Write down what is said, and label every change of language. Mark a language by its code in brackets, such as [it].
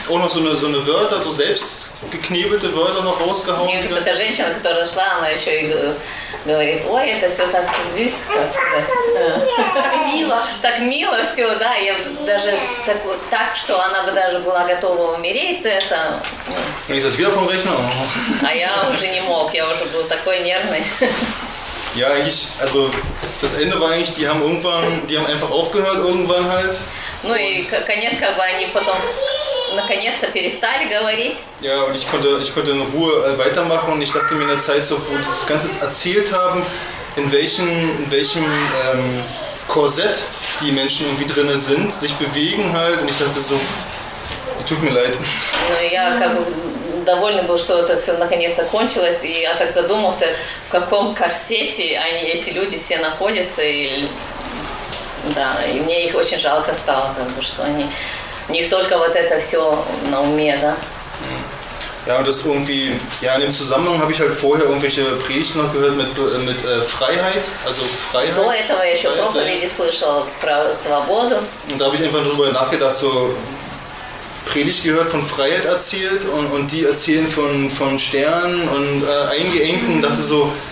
[de] Auch noch so eine Wörter, so selbst geknebelte Wörter noch rausgehauen. [ru] Мне какая-то женщина, которая шла, она еще и говорит, ой, это все так süß, как мило. Так мило все, да, я даже так, что она бы даже была готова умереть за это. [de] Und ich saß wieder vom Rechner. [ru] А я уже не мог, я уже был такой нервный. [de] Ja, eigentlich, also das Ende war eigentlich, die haben einfach aufgehört irgendwann halt. [ru] Ну и конец как бы они потом наконец-то перестали говорить. [de] Ja, und ich konnte in Ruhe weitermachen und ich dachte mir in der Zeit so, wo die das Ganze erzählt haben, in welchem Korsett die Menschen irgendwie drin sind, sich bewegen halt und ich dachte so, tut mir leid. [ru] Ну я как бы довольный был, что это все наконец-то кончилось, и я так задумался, в каком корсете они, эти люди все находятся, и да, и мне их очень жалко стало, как бы, что они, у них только вот это все на уме, да. [de] Ja, und das irgendwie, ja, in dem Zusammenhang habe ich halt vorher irgendwelche Predigten noch gehört mit Freiheit, also Freiheit. [ru] До этого я еще проповеди слышал про свободу. [de] Und da habe ich einfach drüber nachgedacht, so Predigt gehört, von Freiheit erzählt und die erzählen von Sternen und Eingeengten, dachte so.